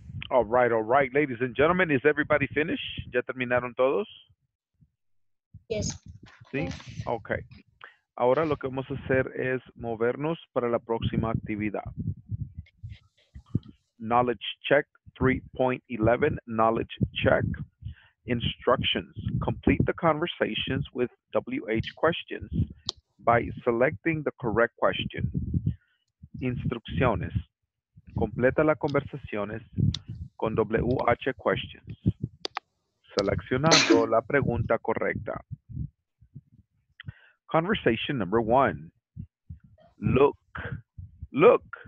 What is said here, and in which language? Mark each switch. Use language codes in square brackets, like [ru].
[en] All right, ladies and gentlemen, is everybody finished? [es] ¿Ya terminaron todos? [en] Yes. [es] Sí, okay. Ahora lo que vamos a hacer es movernos para la próxima actividad. [en] Knowledge check 3.11, knowledge check. Instructions, complete the conversations with WH questions by selecting the correct question. [es] Instrucciones, completa las conversaciones con WH questions, seleccionando la pregunta correcta. [en] Conversation number one. Look, look.